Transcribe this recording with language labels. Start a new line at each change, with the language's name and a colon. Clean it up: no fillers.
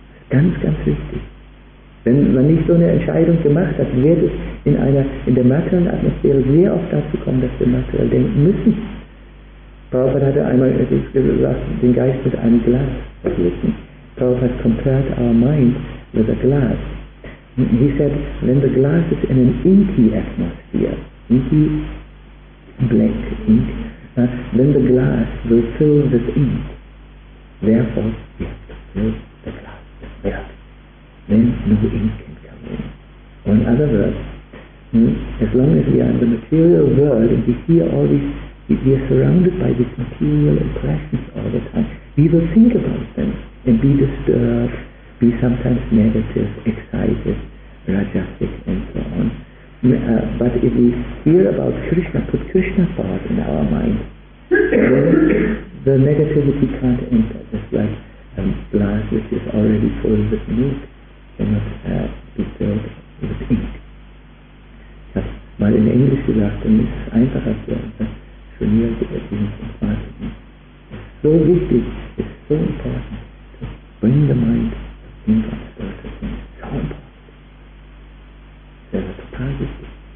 German: Ganz, ganz wichtig. Wenn man nicht so eine Entscheidung gemacht hat, wird es in der materiellen Atmosphäre sehr oft dazu kommen, dass wir materiell denken müssen. Prabhupada hatte einmal gesagt, den Geist mit einem Glas verglichen.
English: Prabhupada compared our mind with a glass. He said, when the glass is in an inky atmosphere, inky black ink, then the glass will fill with ink. Therefore, we have to fill the glass with milk. Then no ink can come in. Or in other words, as long as we are in the material world and we hear all these If we are surrounded by these material impressions all the time, we will think about them and be disturbed, be sometimes negative, excited, rajasic, and so on. But if we hear about Krishna, put Krishna thought in our mind, then the negativity can't enter. Just like a glass which is already full with milk cannot be filled with ink.
German: Weil in Englisch gesagt, dann ist es einfacher zu funktionieren, zu erzielen, zu erfahren. Es ist so wichtig, es ist so
English: important, to bring the mind in God's spirit.
German: Es ist so important. Es ist total wichtig.